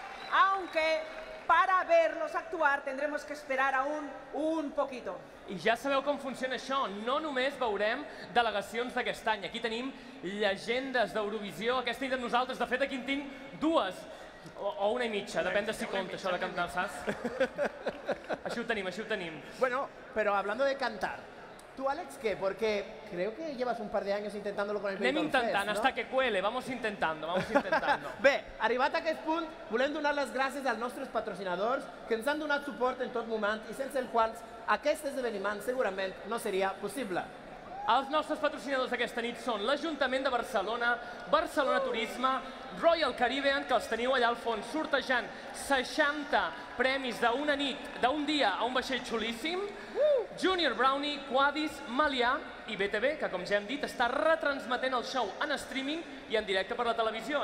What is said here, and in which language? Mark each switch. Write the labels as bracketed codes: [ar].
[es] Aunque para verlos actuar tendremos que esperar aún un poquito. [ca] I ja sabeu com funciona això. No només veurem delegacions d'aquest any. Aquí tenim llegendes d'Eurovisió. Aquesta nit amb nosaltres, de fet, aquí en tinc dues. O una i mitja, depèn de si compta això de cantar, saps? Així ho tenim. [es] Bueno, pero hablando de cantar, tú, Alex, ¿qué? Porque creo que llevas un par de años intentándolo con el Benidorm Fest, ¿no? [ca] Anem intentant, [es] hasta que cuele. Vamos intentando. [ca] Bé, arribat a aquest punt, volem donar les gràcies als nostres patrocinadors que ens han donat suport en tot moment i sense els quals aquest esdeveniment segurament no seria possible. Els nostres patrocinadors d'aquesta nit són l'Ajuntament de Barcelona, Barcelona Turisme, Royal Caribbean, que els teniu allà al fons, sortejant 60 premis d'una nit, d'un dia a un vaixell xulíssim, Junior Brownie, Quadis, Malià i BTV, que com ja hem dit, està retransmetent el show en streaming i en directe per la televisió.